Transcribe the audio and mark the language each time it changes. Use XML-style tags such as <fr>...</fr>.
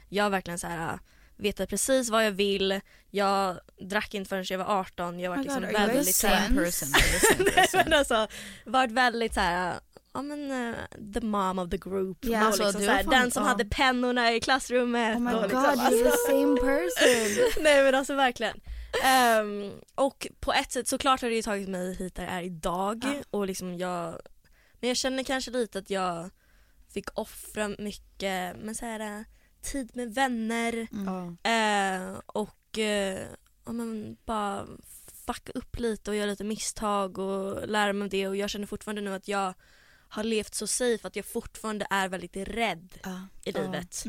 <sv>Jag har verkligen så här vetat precis vad jag vill. Jag drack inte förrän jag var 18. Jag har varit liksom väldigt</sv> <en>same person.</en> <sv>Men alltså varit väldigt så här, ja men</sv> <en>the mom of the group,</en> <sv>yeah, alltså, liksom, så här, den som hade pennorna i klassrummet.</sv> <en>Oh my god, liksom, you're the same person.</en> <sv>Nej men alltså verkligen. Och på ett sätt såklart har det ju tagit mig hit där jag är idag och liksom jag. Men jag känner kanske lite att jag fick offra mycket men så här, tid med vänner och men, bara fucka upp lite och göra lite misstag och lära mig det. Och jag känner fortfarande nu att jag har levt så safe att jag fortfarande är väldigt rädd i livet.</sv>